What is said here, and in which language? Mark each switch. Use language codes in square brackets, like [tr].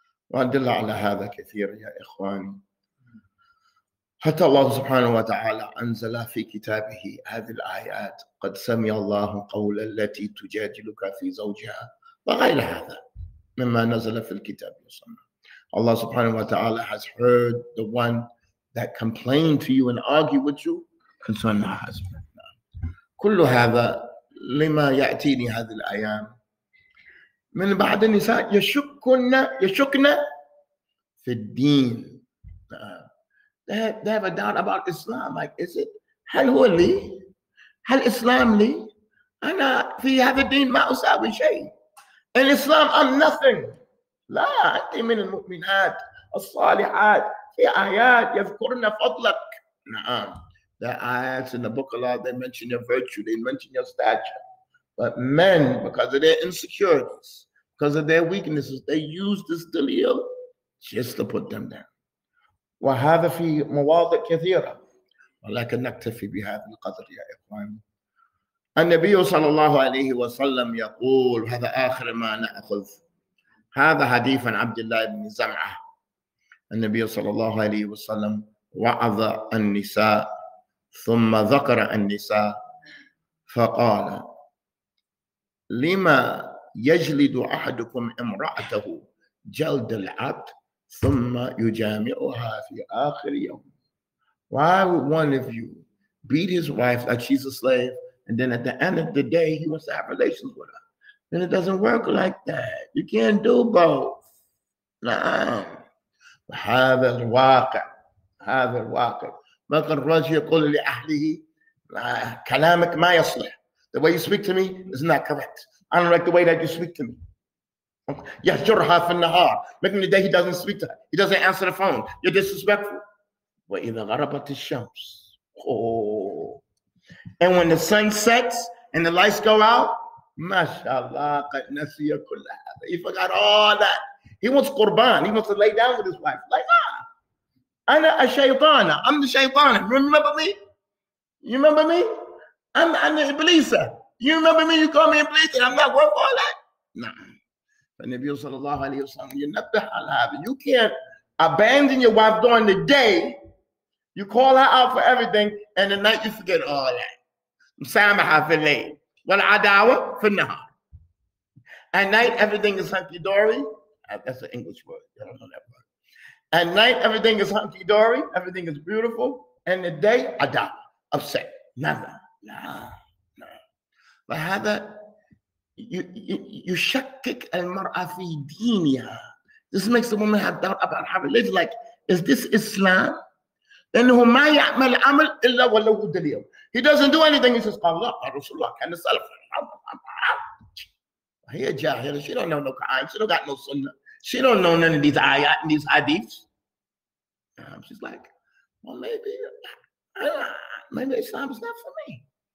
[ar] وأدل على هذا كثير يا إخواني. حتى الله سبحانه وتعالى أنزل في كتابه هذه الآيات, قد سمع الله قول التي تجادلك في زوجها, وغير هذا مما نزل في الكتاب المصنف. [en] Allah subhanahu wa ta'ala has heard the one that complained to you and argued with you concerning her husband. [ar] كل هذا لما يأتيني هذه الأيام من بعض النساء يشكن في الدين. [en] They have a doubt about Islam. Like, is it? [ar] هل هو لي؟ هل إسلام لي؟ أنا في هذا الدين ما أساوي شيء. [en] In Islam, I'm nothing. [ar] لا أنت من المؤمنات الصالحات. في آيات يذكرن فضلك. نعم. [en] There are ayats in the book of Allah, they mention your virtue, they mention your stature. But men, because of their insecurities, because of their weaknesses, they use this delil just to put them down. [ar] وهذا في مواضع كثيرة. ولكن نكتفي بهذا القدر يا إخوان. النبي صلى الله عليه وسلم يقول هذا آخر ما نأخذ هذا حديث عن عبد الله بن زمعة. النبي صلى الله عليه وسلم وعظ النساء ثم ذكر النساء فقال لما يجلد أحدكم امرأته جلد العبد ثم يجامعها في آخر يوم. [en] Why would one of you beat his wife like she's a slave and then at the end of the day he wants to have relations with her? Then it doesn't work like that. You can't do both. نعم. [ar] هذا الواقع. هذا الواقع. ما كان الرجل يقول لأهله كلامك ما يصلح. [en] The way you speak to me is not correct. I don't like the way that you speak to me. [ar] يهجرها في النهار. [en] Making the day he doesn't speak to her. He doesn't answer the phone. You're disrespectful. [ar] وإذا غربت الشمس. [en] And when the sun sets and the lights go out, [ar] ما شاء الله قد نسي كل هذا. [en] He forgot all that. He wants قربان. He wants to lay down with his wife. Like, [ar] أنا الشيطانة. [en] I'm the شيطانة. Remember me? You remember me? I'm the إبليسة. You remember me? You call me إبليسة. I'm not worth all that. نعم. النبي صلى الله عليه وسلم ينبه على هذا. You can't abandon your wife during the day. You call her out for everything, and at night you forget all that. [ar] مسامحة في الليل والعداوة في النهار. [en] At night everything is hunky dory. That's an English word. I don't know that word. At night everything is hunky dory. Everything is beautiful. And the day, عداوة, upset. Never. No. [ar] But هذا يشكك المرأة في دينها. [en] This makes the woman have doubt about her religion. Like, is this Islam? [ar] إنه ما يعمل عمل إلا وله دليل. [en] He doesn't do anything. He says, [ar] قال الله رسول الله كان السلف. هي جاهلة. [en] She don't know no Quran. She don't got no sunnah. She don't know none of these ayat and these hadiths. She's like, well, maybe Islam is not for me.